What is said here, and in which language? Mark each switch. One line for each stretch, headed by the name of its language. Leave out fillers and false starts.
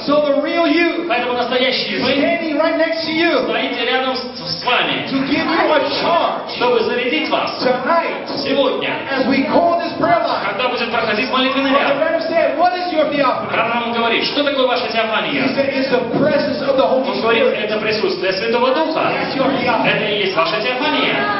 English: So the real you.
Russian: Поэтому настоящий вы.
English: Standing right next to you.
Russian: Стоите рядом с вами.
English: To give you a charge.
Russian: Чтобы зарядить вас.
English: Tonight.
Russian: Сегодня.
English: As we call this prayer line.
Russian: Когда будет проходить молитвенный ряд.
English: Brother Branham said, "What is your theophany?"
Russian: Брат Бранхам говорит, что такое ваша теофания?
English: He said, "It's the presence of the Holy Spirit."
Russian: Он говорит, это присутствие Святого Духа.
English: That's your theophany.
Russian: Это и есть ваша теофания.